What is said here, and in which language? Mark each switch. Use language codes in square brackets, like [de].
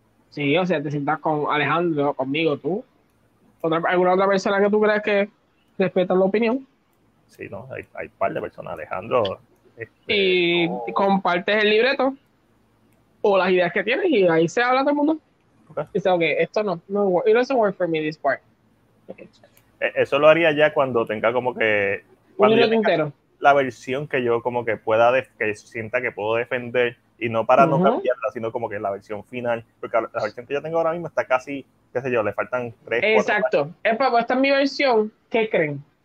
[es] Sí, o sea, te sientas con Alejandro, conmigo, tú. ¿Alguna otra persona que tú creas que respeta la opinión? Sí, no, hay un par de personas, Alejandro. Y compartes el libreto o las ideas que tienes y ahí se habla todo el mundo. Okay. Dice, ok, esto no, [en] it doesn't work for me this part. Okay. [es] Eso lo haría ya cuando tenga como que... Un libreto entero. La versión que yo como que pueda, que sienta que puedo defender y no para no cambiarla, sino como que la versión final, porque la versión que yo tengo ahora mismo está casi, qué sé yo, le faltan 3, 4. Exacto. Esta es mi versión. ¿Qué creen?